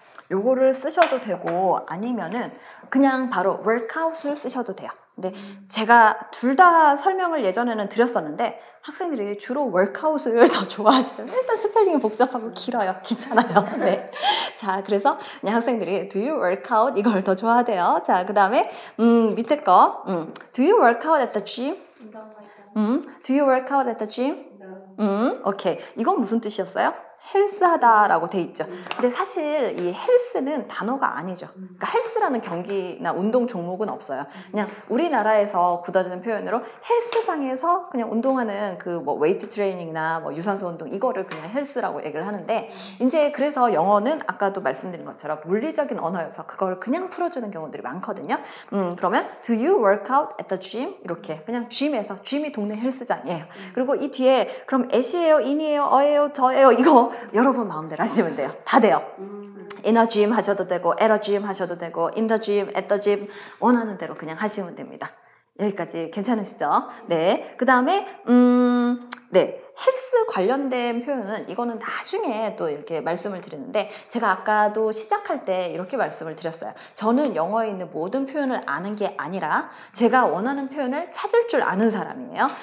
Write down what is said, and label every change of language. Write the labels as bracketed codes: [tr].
[ko] 요거를 쓰셔도 되고 아니면은 그냥 바로 workout을 쓰셔도 돼요. 근데 제가 둘 다 설명을 예전에는 드렸었는데 학생들이 주로 workout을 더 좋아하세요. 일단 스펠링이 복잡하고 길어요. 귀찮아요. 네. 자, 그래서 그냥 학생들이 [en] do you work out [ko] 이걸 더 좋아하대요. 자, 그다음에 밑에 거. [en] Do you work out at the gym? Do you work out at the gym? 오케이. [ko] 이건 무슨 뜻이었어요? 헬스하다라고 돼 있죠. 근데 사실 이 헬스는 단어가 아니죠. 그러니까 헬스라는 경기나 운동 종목은 없어요. 그냥 우리나라에서 굳어지는 표현으로 헬스장에서 그냥 운동하는 그 뭐 웨이트 트레이닝이나 뭐 유산소 운동 이거를 그냥 헬스라고 얘기를 하는데, 이제 그래서 영어는 아까도 말씀드린 것처럼 물리적인 언어여서 그걸 그냥 풀어주는 경우들이 많거든요. [en] 그러면 Do you work out at the gym? [ko] 이렇게 그냥 gym에서, gym이 동네 헬스장이에요. 그리고 이 뒤에 그럼 at이에요, in이에요, 어예요, 더예요 이거 여러분 마음대로 하시면 돼요. 다 돼요. [en] In a gym [ko] 하셔도 되고, [en] at a gym 하셔도 되고, in the gym, at the gym [ko] 원하는 대로 그냥 하시면 됩니다. 여기까지 괜찮으시죠? 네. 그 다음에 네. 헬스 관련된 표현은 이거는 나중에 또 이렇게 말씀을 드리는데, 제가 아까도 시작할 때 이렇게 말씀을 드렸어요. 저는 영어에 있는 모든 표현을 아는 게 아니라 제가 원하는 표현을 찾을 줄 아는 사람이에요.